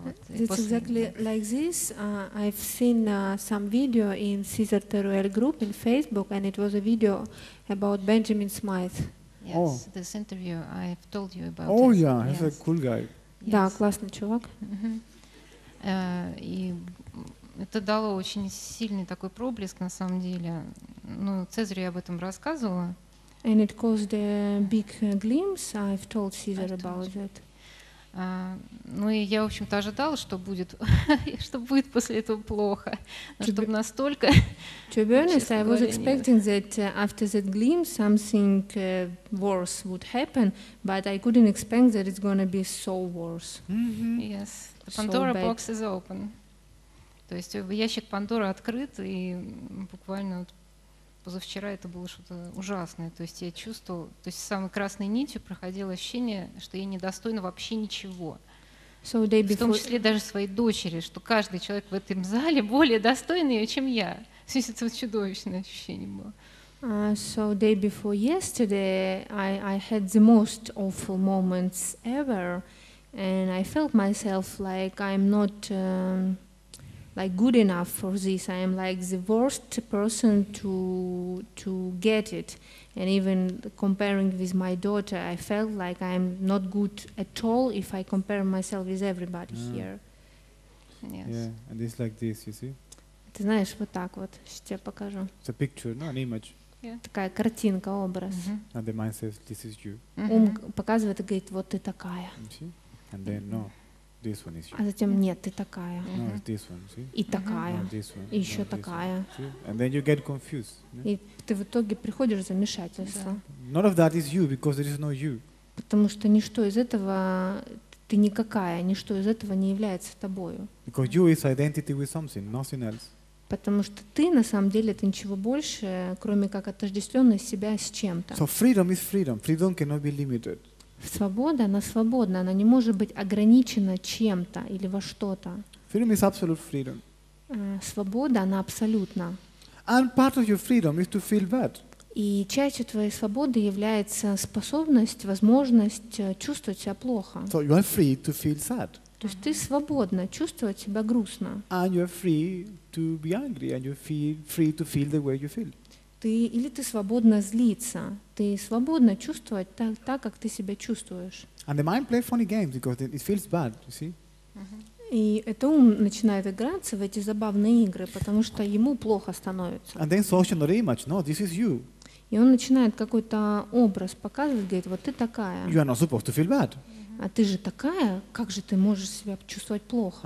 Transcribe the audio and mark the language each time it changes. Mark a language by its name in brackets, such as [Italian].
[English] It's exactly like this. I've seen some video in Cesar Teruel group in Facebook, and it was a video about Benjamin Smythe. Yes, this interview I've told you about. Oh yeah, he's a cool guy. [Russian] Да, классный чувак. И это дало очень сильный такой проблеск, на самом деле. Ну, Цезарю я об этом рассказывала. [English] And it caused a big glimpse. I've told Caesar about it. [Russian] Ну и я, в общем-то, ожидала, что будет, что будет после этого плохо, чтобы настолько. [English] To be honest, I was expecting that after that glimpse something worse would happen, but I couldn't expect that it's going to be so worse. Yes, the Pandora box is open. [Russian] То есть ящик Пандоры открыт, и буквально вот позавчера это было что-то ужасное. То есть я чувствовала, то есть самой красной нитью проходило ощущение, что я недостойна вообще ничего. [English] So [Russian] в том числе даже своей дочери, что каждый человек в этом зале более достойный, чем я. В смысле, это вот чудовищное ощущение было. [English] So day before yesterday, I had the most awful moments ever, and I felt myself like I'm not... like good enough for this. I am like the worst person to get it. And even comparing with my daughter, I felt like I'm not good at all if I compare myself with everybody here. Yes. Yeah, and it's like this, you see? [Russian] Ты знаешь, вот так вот, сейчас тебе покажу. [English] It's a picture, not an image. Yeah. [Russian] Такая картинка, образ. Mm-hmm. [English] And the mind says, this is you. [Russian] Ум показывает и говорит, вот ты такая. [English] And then, no. This one is you. [Russian] А затем нет, ты такая. [English] No, this one, [Russian] и такая. И еще такая. [English] And then you get confused. [Russian] И ты в итоге приходишь в замешательство. [English] None of that is you, because there is no you. [Russian] Потому что ничто из этого ты никакая, ничто из этого не является тобою. [English] Because you is identity with something, nothing else. [Russian] Потому что ты на самом деле это ничего больше, кроме как отождествленность себя с чем-то. [English] So freedom is freedom. Freedom cannot be limited. [Russian] Свобода, она свободна, она не может быть ограничена чем-то или во что-то. [English] Freedom is absolute freedom. [Russian] Свобода, она абсолютна. [English] And part of your freedom is to feel bad. [Russian] И частью твоей свободы является способность, возможность чувствовать себя плохо. [English] So you are free to feel sad. [Russian] То есть ты свободна чувствовать себя грустно. [English] And you are free to be angry, and you feel free to feel the way you feel. [Russian] Или ты свободна злиться, ты свободна чувствовать так, как ты себя чувствуешь. [English] And the mind plays funny games because it feels bad, you see? [Russian] И это ум начинает играться в эти забавные игры, потому что ему плохо становится. [English] And then social not image, no, this is you. [Russian] И он начинает какой-то образ показывать, говорит, вот ты такая. [English] You are not supposed to feel bad. [Russian] А ты же такая, как же ты можешь себя чувствовать плохо?